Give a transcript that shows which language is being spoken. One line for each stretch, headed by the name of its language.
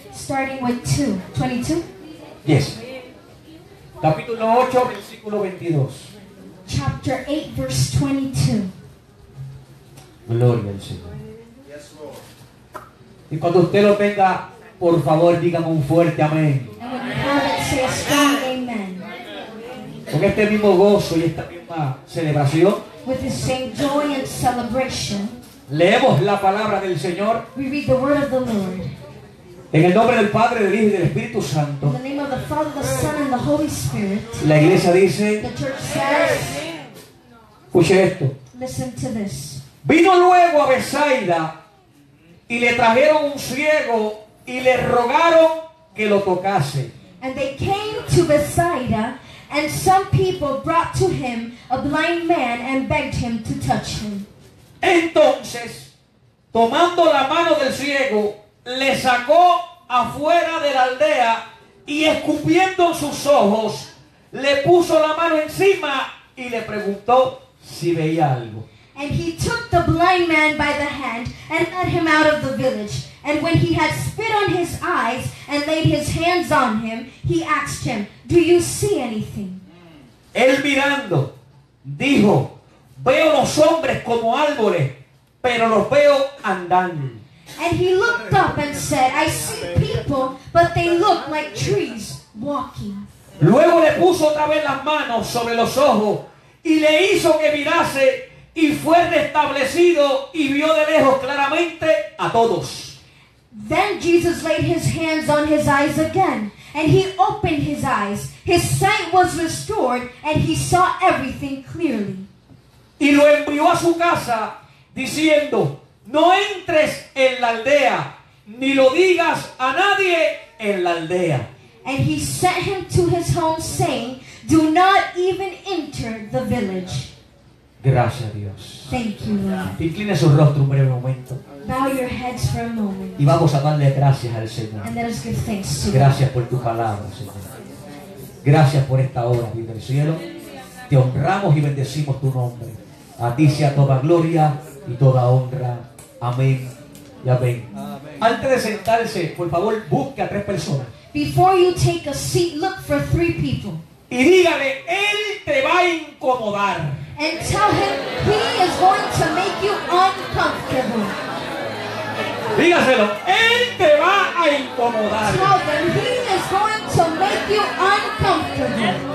English: Starting with 2. 22? Yes.
Spanish: Capítulo 8, versículo 22.
English: Chapter 8, verse 22.
Spanish: Gloria al Señor.
English: Yes, Lord.
Spanish: Y cuando usted lo tenga, por favor, dígame un fuerte amén.
English: And when you have it, say a strong amen.
Spanish: Con este mismo gozo y esta misma celebración.
English: With the same joy and celebration.
Spanish: Leemos la palabra del Señor.
English: We read the word of the Lord.
Spanish: En el nombre del Padre, del Hijo y del Espíritu Santo.
English: In the name of the Father, the Son, and the Holy Spirit.
Spanish: La iglesia dice.
English: The church says.
Spanish: Escuche esto.
English: Listen to this.
Spanish: Vino luego a Bethsaida y le trajeron un ciego y le rogaron que lo tocase.
English: And they came to Bethsaida, and some people brought to him a blind man and begged him to touch him.
Spanish: Entonces, tomando la mano del ciego, le sacó afuera de la aldea y escupiendo en sus ojos, le puso la mano encima y le preguntó si veía algo.
English: And he took the blind man by the hand and led him out of the village. And when he had spit on his eyes and laid his hands on him, he asked him, "Do you see anything?"
Spanish: Él mirando, dijo, "Veo los hombres como árboles, pero los veo andando."
English: And he looked up and said, "I see people, but they look like trees walking."
Spanish: Luego le puso otra vez las manos sobre los ojos y le hizo que mirase y fue restablecido y vio de lejos claramente a todos.
English: Then Jesus laid his hands on his eyes again, and he opened his eyes. His sight was restored, and he saw everything clearly.
Spanish: Y lo envió a su casa, diciendo, "No entres en la aldea, ni lo digas a nadie en la aldea."
English: And he sent him to his home, saying, "Do not even enter the village."
Spanish: Gracias a Dios.
English: Thank you, Lord.
Spanish: Incline su rostro un breve momento.
English: Bow your heads for a moment.
Spanish: Y vamos a darle gracias al Señor.
English: And let us give thanks to you.
Spanish: Gracias por tu palabra, Señor. Gracias por esta obra, Dios del cielo. Te honramos y bendecimos tu nombre. A ti sea toda gloria y toda honra. Amén y amén. Antes de sentarse, por favor, busque a tres personas.
English: Before you take a seat, look for three people.
Spanish: Y dígale, él te va a incomodar.
English: And tell him he is going to make you uncomfortable.
Spanish: Dígaselo, él te va a incomodar.
English: Tell them he is going to make you uncomfortable.